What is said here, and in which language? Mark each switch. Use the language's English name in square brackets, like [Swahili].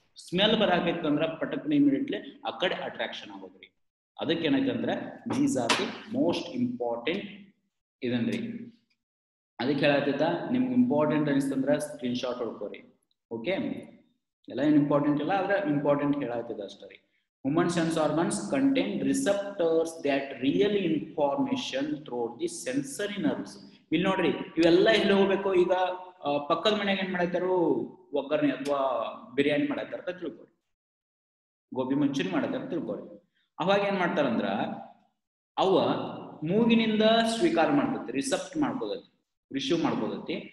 [Kannada] Smell ಬರಾಕಿತ್ತಂದ್ರ ಪಟಕ್ನ immediately ಆ ಕಡೆ attraction ಆಗೋದ್ರಿ. ಅದಕ್ಕೆ ಏನಾಯ್ತಂದ್ರ [English] these are the most important [Kannada] ಇದನ್ರಿ. ಅದಕ್ಕೆ ಹೇಳತ್ತ ನಿಮ್ಗೆ ಇಂಪಾರ್ಟೆಂಟ್ ಅನಿಸ್ತಂದ್ರ ಸ್ಕ್ರೀನ್ ಶಾಟ್ ಹೊಡ್ಕೋರಿ. ಓಕೆ, ಎಲ್ಲ ಏನು ಇಂಪಾರ್ಟೆಂಟ್ ಇಲ್ಲ, ಆದ್ರೆ ಇಂಪಾರ್ಟೆಂಟ್ ಹೇಳತ್ತದ ಅಷ್ಟೇ. [English] Human sense organs contain receptors that real information throughout the sensory nerves. [Kannada] ಇಲ್ಲಿ ನೋಡ್ರಿ ಇವೆಲ್ಲ ಎಲ್ಲಿ ಹೋಗ್ಬೇಕು, ಈಗ ಪಕ್ಕದ ಮನೆಯಾಗ ಏನ್ ಮಾಡ್ತಾರೋ ಒಗ್ಗರಣೆ ಅಥವಾ ಬಿರಿಯಾನಿ ಮಾಡತ್ತಾರ ಅಂತ ತಿಳ್ಕೊಳ್ರಿ, ಗೋಬಿ ಮಂಚೂರಿ ಮಾಡತ್ತಾರ ತಿಳ್ಕೊಳ್ರಿ. ಅವಾಗ ಏನ್ ಮಾಡ್ತಾರಂದ್ರ ಅವ ಮೂಗಿನಿಂದ ಸ್ವೀಕಾರ ಮಾಡ್ಕೋತಿ, ರಿಸೆಪ್ಟ್ ಮಾಡ್ಕೋದತ್ತಿ, ರಿಸೀವ್ ಮಾಡ್ಕೋದತ್ತಿ.